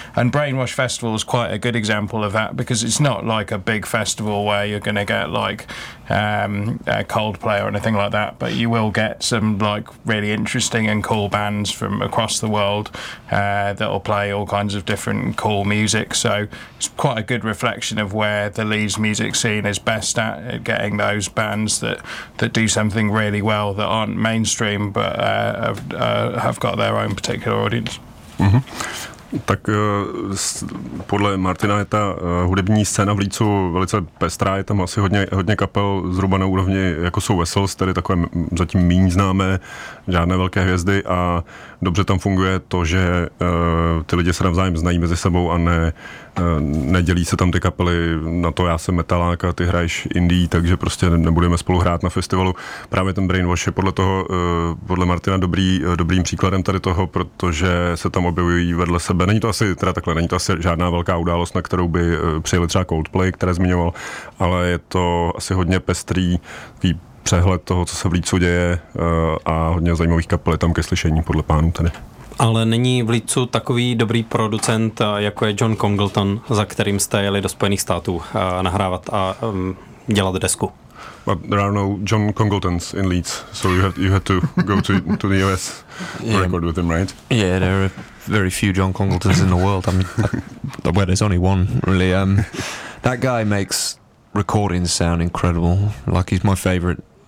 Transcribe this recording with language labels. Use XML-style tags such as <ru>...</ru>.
<en>And Brainwash Festival is quite a good example of that, because it's not like a big festival where you're going to get like Coldplay or anything like that, but you will get some like really interesting and cool bands from across the world that will play all kinds of different cool music. So it's quite a good reflection of where the Leeds music scene is best at getting those bands that do something really well that aren't mainstream, but have got their own particular audience. Mm-hmm.</en> <cs>Tak podle Martina je ta hudební scéna v Leedsu velice pestrá, je tam asi hodně kapel zhruba na úrovni, jako jsou Vessels, tedy takové zatím méně známé, žádné velké hvězdy, a dobře tam funguje to, že ty lidi se navzájem znají mezi sebou a nedělí se tam ty kapely na to, já jsem metalák a ty hraješ indie, takže prostě nebudeme spolu hrát na festivalu. Právě ten Brainwash je podle toho, podle Martina dobrým příkladem tady toho, protože se tam objevují vedle sebe. Není to asi žádná velká událost, na kterou by přijeli třeba Coldplay, které zmiňoval, ale je to asi hodně pestrý přehled toho, co se v Leedsu děje, a hodně zajímavých kapel tam ke slyšení podle pánů tady. Ale není v Leedsu takový dobrý producent, jako je John Congleton, za kterým jste jeli do Spojených států nahrávat a dělat desku?</cs> <en>But there are no John Congletons in Leeds, so you had to go to the US yeah. Record with him, right? Yeah, there are very few John Congletons in the world. I mean, there's only one, really. That guy makes recordings sound incredible. Like, he's my favorite.</en>